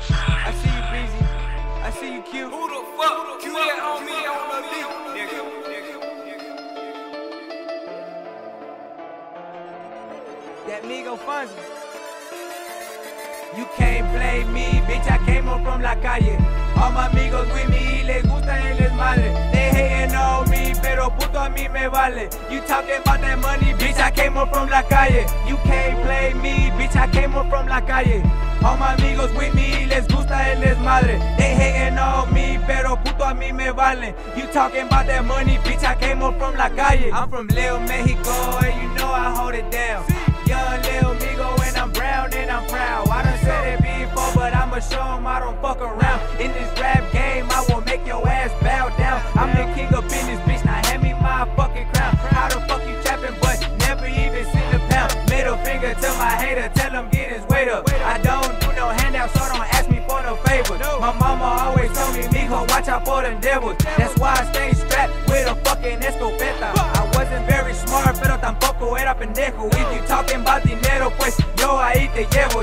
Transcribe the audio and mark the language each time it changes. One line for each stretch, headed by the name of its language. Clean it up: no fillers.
English: I see you, Breezy. I see you, Q. Who the fuck? Q that on me, on the beat. That Migo Fonzie. You can't play me, bitch, I came up from
Spanish: la calle.
English: All my amigos with me,
Spanish: les gusta el desmadre.
English: They hating on me,
Spanish: pero puto a mí me vale.
English: You talking about that money, bitch, I came up from
Spanish: la calle.
English: You can't play me, bitch, I came up from la calle. All my amigos with me,
Spanish: les gusta el desmadre.
English: They hating on me,
Spanish: pero puto a mí me vale.
English: You talking about that money, bitch, I came up from
Spanish: la calle.
English: I'm from Leo, Mexico, and you know I hold it down. Young Leo Migo, and I'm brown and I'm proud. I done said it before, but I'ma show 'em I don't fuck around. In this rap game, I will make your ass bow down. I'm the king of business, bitch, now hand me my fucking crown. How the fuck you trapping, but never even seen a pound. Middle finger to my hater, tell him get his weight up. I don't do no handouts, so don't ask me for no favors. My mama always told me, mijo, watch out for them devils. That's why I stay strapped with a fucking escopeta.
Spanish: Pero tampoco era pendejo.
English: If you talking about dinero,
Spanish: pues yo ahí te llevo.